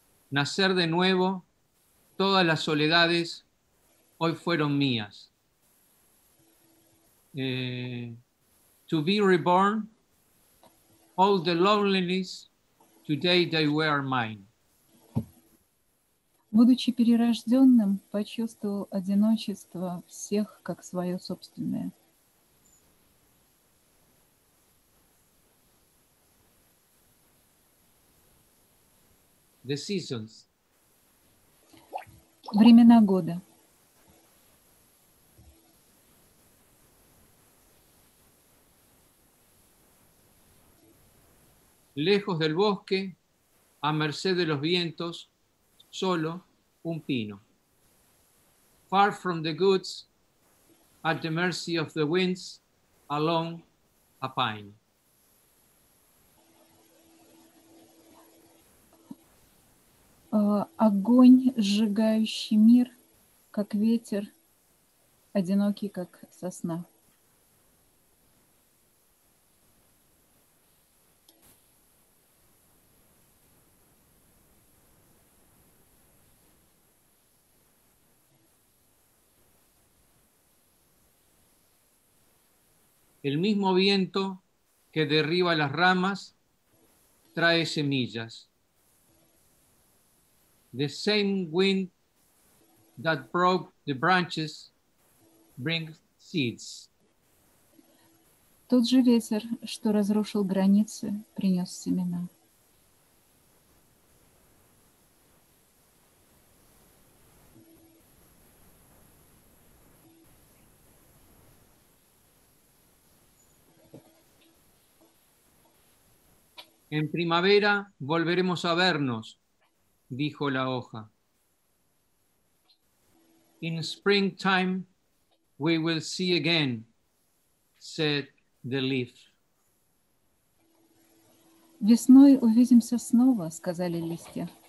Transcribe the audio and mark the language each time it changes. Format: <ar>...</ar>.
<es>Nacer de nuevo, todas las soledades hoy fueron mías.</es> <en>To be reborn, all the loneliness, today they were mine.</en> <ru>Будучи перерожденным, почувствовал одиночество всех как свое собственное.</ru> <en>The seasons.</en> <ru>Времена года.</ru> <es>lejos del bosque, a merced de los vientos, solo un pino.</es> <en>Far from the goods, at the mercy of the winds, alone a pine.</en> <ru>Огонь, сжигающий мир, как ветер, одинокий, как сосна.</ru> <es>El mismo viento que derriba las ramas trae semillas.</es> <en>The same wind that broke the branches brings seeds.</en> <ru>Тот же ветер, что разрушил границы, принес семена.</ru> <es>En primavera volveremos a vernos, dijo la hoja.</es> <en>In springtime we will see again, said the leaf.</en> <ru>Весной увидимся снова, сказали листья.</ru>